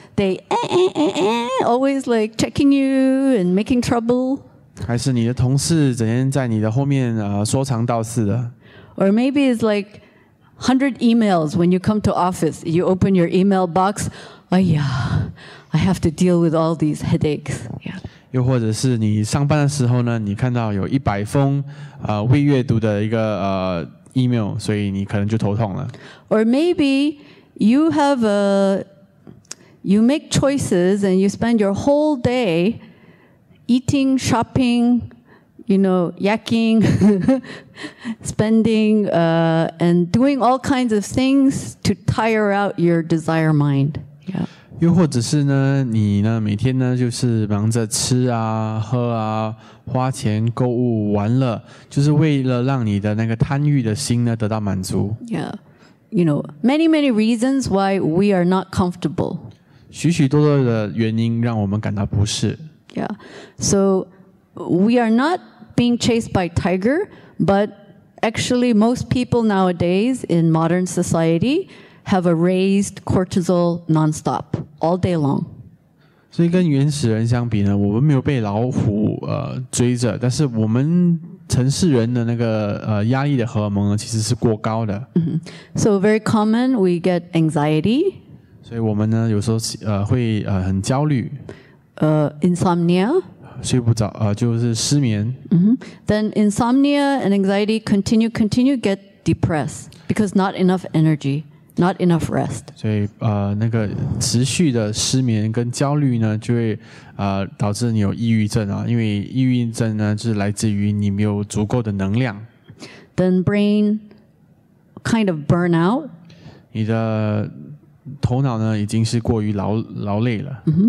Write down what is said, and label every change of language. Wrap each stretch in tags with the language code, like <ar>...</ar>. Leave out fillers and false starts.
<en>They always like checking you and making trouble.</en> <zh>还是你的同事整天在你的后面说长道四的</zh> <en>？Or maybe it's like 100 emails when you come to office. You open your email box. I have to deal with all these headaches. Yeah.</en> <zh>又或者是你上班的时候呢，你看到有100封未阅读的一个email， 所以你可能就头痛了。</zh> <en>Or maybe you have you make choices and you spend your whole day eating, shopping, you know, yakking, spending, and doing all kinds of things to tire out your desire mind. Yeah.</en> <zh>又或者是呢，你呢每天呢就是忙着吃啊、喝啊、花钱、购物、玩乐，就是为了让你的那个贪欲的心呢得到满足。</zh> <en>Yeah. You know, many, many reasons why we are not comfortable.</en> <zh>许许多多的原因让我们感到不适。</zh> <en>Yeah. So, we are not being chased by tiger, but actually most people nowadays in modern society have a raised cortisol nonstop, all day long.</en> <zh>所以跟原始人相比呢，我们没有被老虎追着，但是我们城市人的那个压力的荷尔蒙呢，其实是过高的。</zh> <en>So very common, we get anxiety.</en> <zh>所以我们呢，有时候会很焦虑。</zh> <en>Insomnia.</en> <zh>睡不着，就是失眠。</zh> <en>Then insomnia and anxiety continue get depressed because not enough energy, not enough rest.</en> <zh>所以那个持续的失眠跟焦虑呢，就会导致你有抑郁症啊，因为抑郁症呢，就是来自于你没有足够的能量。</zh> <en>Then brain kind of burn out.</en> <zh>你的头脑呢已经是过于劳累了。</zh>